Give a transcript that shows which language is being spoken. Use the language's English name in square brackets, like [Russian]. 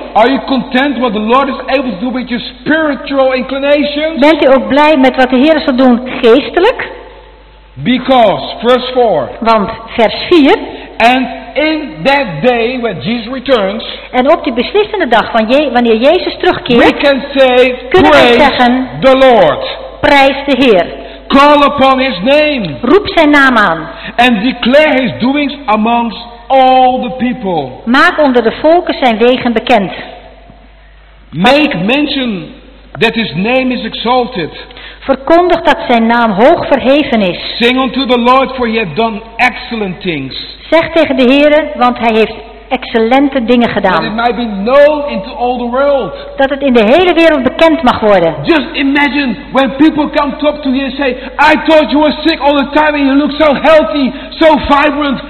[English] Are you content what the Lord is able to do with your spiritual inclinations? [Dutch] Bent u ook blij met wat de Heer zal doen geestelijk? [English] Because verse 4. [Dutch] Want vers 4. [English] And in that day when Jesus returns. [Dutch] En op die beslissende dag van wanneer Jezus terugkeert. [English] We can say, [Dutch] kunnen we zeggen. [English] The Lord. [Dutch] Prijs de Heer. [English] Call upon his name. [Dutch] Roep zijn naam aan. [English] And declare his doings amongst all the people. [Dutch] Maak onder de volken zijn wegen bekend. [English] Make mention that his name is exalted. [Dutch] Verkondig dat zijn naam hoog verheven is. [English] Sing unto the Lord, for he hath done excellent things. [Dutch] Zeg tegen de Heere, want hij heeft excellente dingen gedaan. [English] That it might be known into all the world. [Dutch] Dat het in de hele wereld bekend mag worden. [English] Just imagine when people come talk to you and say, I thought you were sick all the time and you look so healthy, so vibrant.